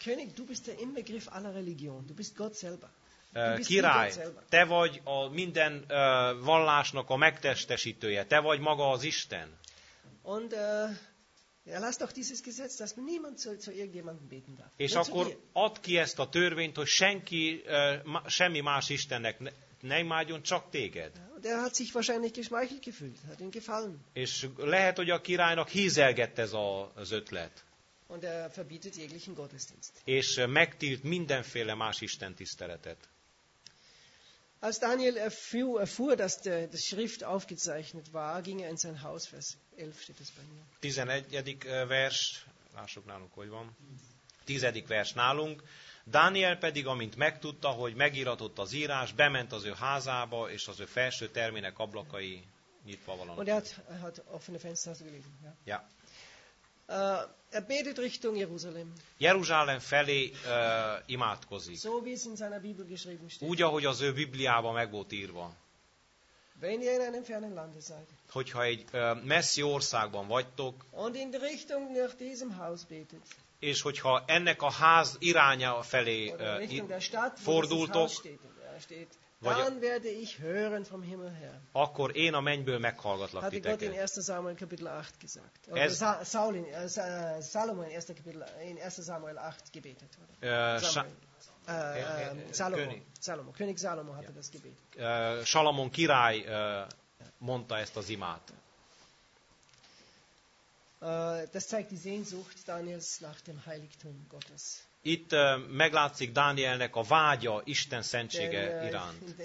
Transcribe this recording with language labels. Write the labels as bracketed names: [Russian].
[German] König, du bist der Inbegriff aller Religion. Du bist Gott selber. [Hungarian] Király, te vagy a minden vallásnak a megtestesítője, te vagy maga az Isten. [German] Und lass doch dieses Gesetz, dass niemand zu irgendjemandem beten darf. [Hungarian] És akkor add ki ezt a törvényt, hogy senki semmi más Istennek ne imádjon, csak téged. [German] Der hat sich wahrscheinlich geschmeichelt gefühlt, hat ihm gefallen. [Hungarian] És lehet, hogy a királynak hízelgett ez az ötlet. [German] Und er verbietet jeglichen Gottesdienst. [Hungarian] És megtilt mindenféle más Isten tiszteletet. [German] Als Daniel erfuhr, dass die Schrift aufgezeichnet war, ging er in sein Haus, Vers 11 steht es bei mir. 11. [Hungarian] vers, lássuk nálunk, hogy van. 10. vers nálunk. Daniel pedig, amint megtudta, hogy megíratott az írás, bement az ő házába, és az ő felső termének ablakai nyitva valamit. [German] Und er hat offene Fenster, hast du gelesen, ja? Ja. Er betet Richtung Jerusalem. [Hungarian] Jeruzsálem felé imádkozik. [German] So wie es in seiner Bibel geschrieben steht. [Hungarian] Úgy, ahogy az ő Bibliában meg volt írva. [German] Wenn ihr in einem fernen Lande seid. [Hungarian] Hogyha egy messzi országban vagytok. [German] Und in Richtung nach diesem Haus betet. [Hungarian] És hogyha ennek a ház iránya felé fordultok. Vagy, [German] dann werde ich hören vom Himmel her. [Hungarian] Akkor én a mennyből meghallgatlak titeket. [German] Hat Gott in 1. Samuel Kapitel 8 gesagt. Oder Saul in Salomon in 1. Kapitel in 1. Samuel 8 gebetet wurde. Salomon, König Salomon hatte das Gebet. [Hungarian] Salomon király mondta ezt az imát. [German] Das zeigt die Sehnsucht Daniels nach dem Heiligtum Gottes. [Hungarian] Itt meglátszik Dánielnek a vágya Isten szentsége iránt.